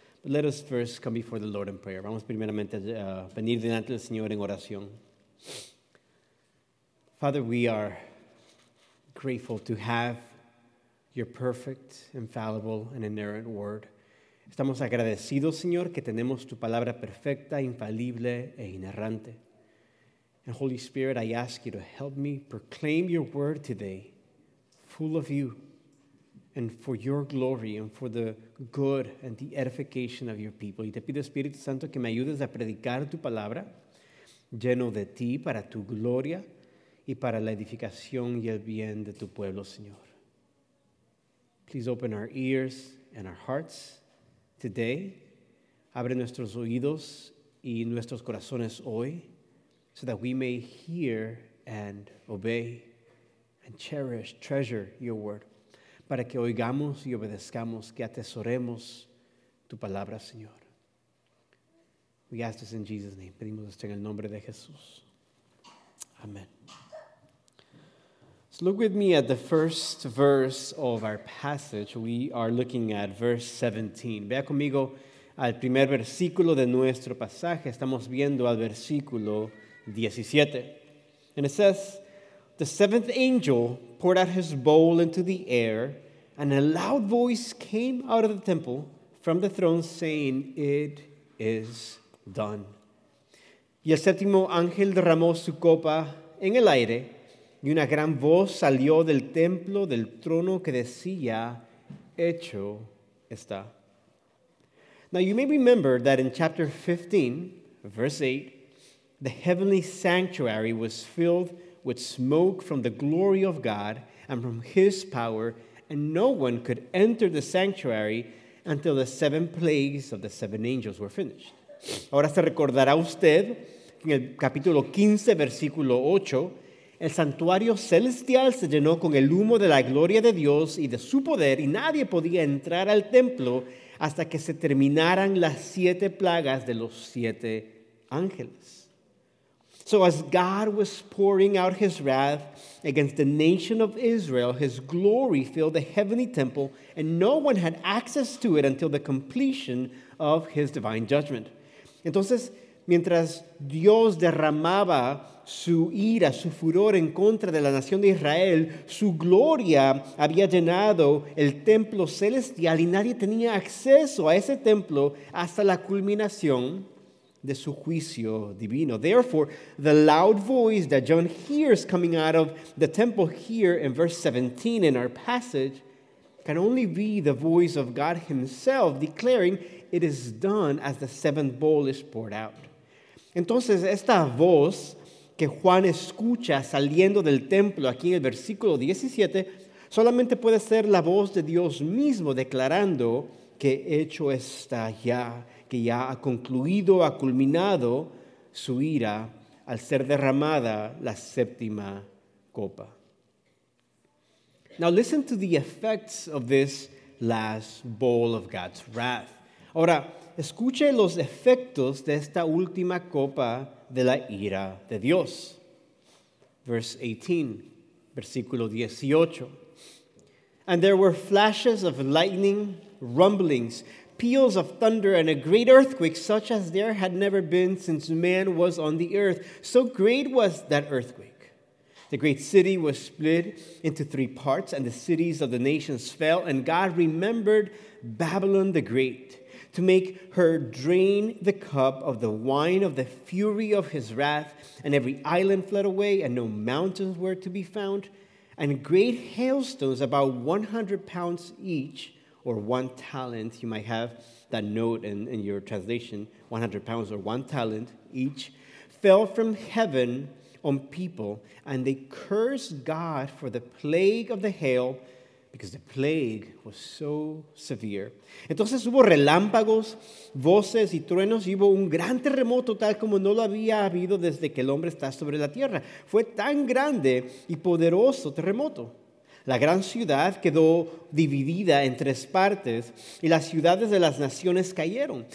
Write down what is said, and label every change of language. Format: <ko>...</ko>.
<en>But let us first come before the Lord in prayer.</en> <es>Vamos primeramente a venir delante del Señor en oración.</es> <en>Father, we are grateful to have your perfect, infallible, and inerrant word.</en> <es>Estamos agradecidos, Señor, que tenemos tu palabra perfecta, infalible, e inerrante.</es> <en>And Holy Spirit, I ask you to help me proclaim your word today, full of you, and for your glory, and for the good and the edification of your people.</en> <es>Y te pido, Espíritu Santo, que me ayudes a predicar tu palabra, lleno de ti, para tu gloria, y para la edificación y el bien de tu pueblo, Señor.</es> <en>Please open our ears and our hearts today.</en> <es>Abre nuestros oídos y nuestros corazones hoy,</es> <en>so that we may hear and obey and cherish, treasure your word.</en> <es>Para que oigamos y obedezcamos, que atesoremos tu palabra, Señor.</es> <en>We ask this in Jesus' name.</en> <es>Pedimos esto en el nombre de Jesús. Amen.</es> <en>So look with me at the first verse of our passage. We are looking at verse 17.</en> <es>Vea conmigo al primer versículo de nuestro pasaje. Estamos viendo al versículo 17.</es> <en>And it says, "The seventh angel poured out his bowl into the air, and a loud voice came out of the temple from the throne saying, 'It is done.'</en> <es>Y el séptimo ángel derramó su copa en el aire, y una gran voz salió del templo, del trono, que decía, 'Hecho está.'"</es> <en>Now you may remember that in chapter 15, verse 8, the heavenly sanctuary was filled with smoke from the glory of God, and from his power, and no one could enter the sanctuary until the seven plagues of the seven angels were finished.</en> <es>Ahora se recordará usted que en el capítulo 15, versículo 8, el santuario celestial se llenó con el humo de la gloria de Dios y de su poder, y nadie podía entrar al templo hasta que se terminaran las siete plagas de los siete ángeles.</es> <en>So as God was pouring out his wrath against the nation of Israel, his glory filled the heavenly temple, and no one had access to it until the completion of his divine judgment.</en> <es>Entonces, mientras Dios derramaba su ira, su furor en contra de la nación de Israel, su gloria había llenado el templo celestial y nadie tenía acceso a ese templo hasta la culminación de su juicio divino.</es> <en>Therefore, the loud voice that John hears coming out of the temple here in verse 17 in our passage can only be the voice of God himself declaring, "It is done," as the seventh bowl is poured out.</en> <es>Entonces, esta voz que Juan escucha saliendo del templo aquí en el versículo 17 solamente puede ser la voz de Dios mismo declarando que hecho está ya, que ya ha concluido, ha culminado su ira al ser derramada la séptima copa.</es> <en>Now listen to the effects of this last bowl of God's wrath.</en> <es>Ahora, escuche los efectos de esta última copa de la ira de Dios.</es> <en>Verse 18,</en> <es>versículo 18.</es> <en>And there were flashes of lightning, rumblings, peals of thunder, and a great earthquake such as there had never been since man was on the earth. So great was that earthquake. The great city was split into three parts, and the cities of the nations fell, and God remembered Babylon the Great to make her drain the cup of the wine of the fury of his wrath, and every island fled away, and no mountains were to be found, and great hailstones about 100 pounds each, or one talent, you might have that note in your translation, 100 pounds or one talent each, fell from heaven on people, and they cursed God for the plague of the hail, because the plague was so severe.</en> <es>Entonces hubo relámpagos, voces y truenos, y hubo un gran terremoto tal como no lo había habido desde que el hombre está sobre la tierra. Fue tan grande y poderoso terremoto. La gran ciudad quedó dividida en tres partes, y las ciudades de las naciones cayeron.</es>